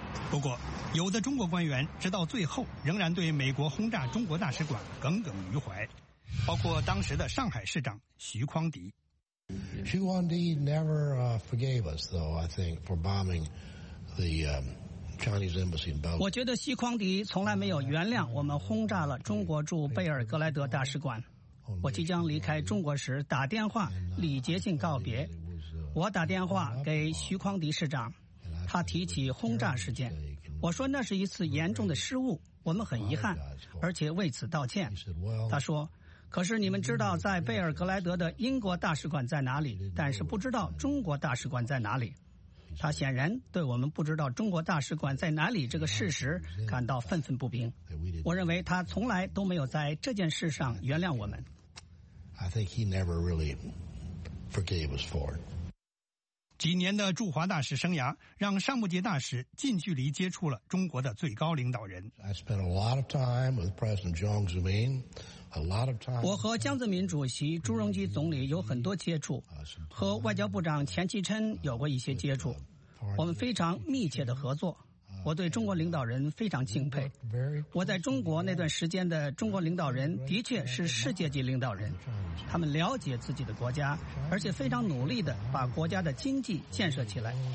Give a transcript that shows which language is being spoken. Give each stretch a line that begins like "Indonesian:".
Chinese: 不过，有的中国官员直到最后仍然对美国轰炸中国大使馆耿耿于怀，包括当时的上海市长徐匡迪。
English: 徐匡迪 never forgave us, though I think for bombing the Chinese embassy in Belgrade.
Chinese: 我觉得徐匡迪从来没有原谅我们轰炸了中国驻贝尔格莱德大使馆。我即将离开中国时，打电话礼节性告别。我打电话给徐匡迪市长。他提起轰炸事件，我说那是一次严重的失误，我们很遗憾，而且为此道歉。他说，可是你们知道在贝尔格莱德的英国大使馆在哪里，但是不知道中国大使馆在哪里。他显然对我们不知道中国大使馆在哪里这个事实感到愤愤不平。我认为他从来都没有在这件事上原谅我们。
English: I think he never really forgave us for it.
Chinese: 几年的驻华大使生涯让尚穆杰大使近距离接触了中国的最高领导人。
English: I spent a lot of time with President Jiang Zemin.
Chinese: 我和江泽民主席、朱镕基总理有很多接触，和外交部长钱其琛有过一些接触，我们非常密切的合作。我对中国领导人非常敬佩。我在中国那段时间的中国领导人的确是世界级领导人，他们了解自己的国家，而且非常努力地把国家的经济建设起来。